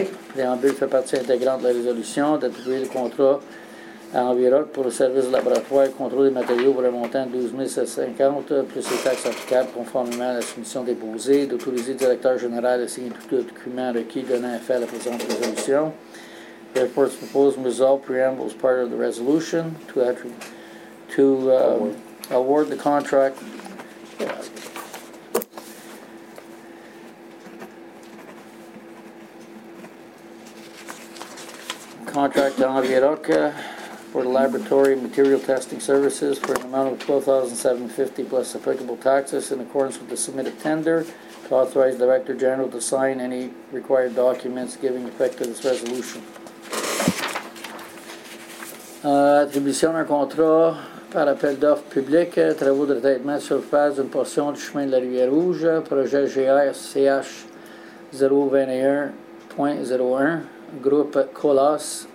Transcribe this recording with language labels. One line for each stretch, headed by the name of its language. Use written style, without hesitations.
French: Le préambule fait partie intégrante de la résolution d'attribuer le contrat à Enviroc pour le service de laboratoire et contrôle des matériaux pour un montant de $12,750 plus les taxes applicables conformément à la soumission déposée, d'autoriser le directeur général à signer tous les documents requis donnant effet à la présente résolution.
English: The report's proposed resolve preamble is part of the resolution to award the contract. Contract to Enviroc for the laboratory material testing services for an amount of $12,750 plus applicable taxes in accordance with the submitted tender. To authorize the Director General to sign any required documents giving effect to this resolution.
French: Attribution d'un contrat par appel d'offres public, travaux de traitement sur face d'une portion du chemin de la Rivière Rouge, projet GRCH 021.01, groupe Colas.